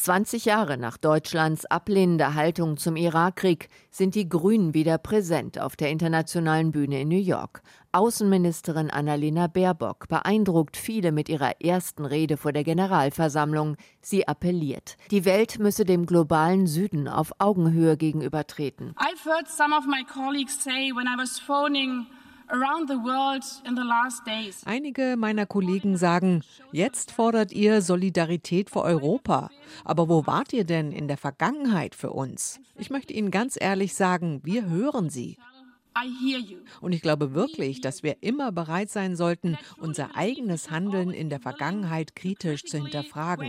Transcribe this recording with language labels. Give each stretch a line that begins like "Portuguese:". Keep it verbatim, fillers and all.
German: zwanzig Jahre nach Deutschlands ablehnender Haltung zum Irakkrieg sind die Grünen wieder präsent auf der internationalen Bühne in New York. Außenministerin Annalena Baerbock beeindruckt viele mit ihrer ersten Rede vor der Generalversammlung. Sie appelliert, die Welt müsse dem globalen Süden auf Augenhöhe gegenübertreten.
English: I've heard some of my colleagues say when I was phoning around the world in the last days.
German: Einige meiner Kollegen sagen, jetzt fordert ihr Solidarität für Europa. Aber wo wart ihr denn in der Vergangenheit für uns? Ich möchte Ihnen ganz ehrlich sagen, wir hören Sie. Und ich glaube wirklich, dass wir immer bereit sein sollten, unser eigenes Handeln in der Vergangenheit kritisch zu hinterfragen.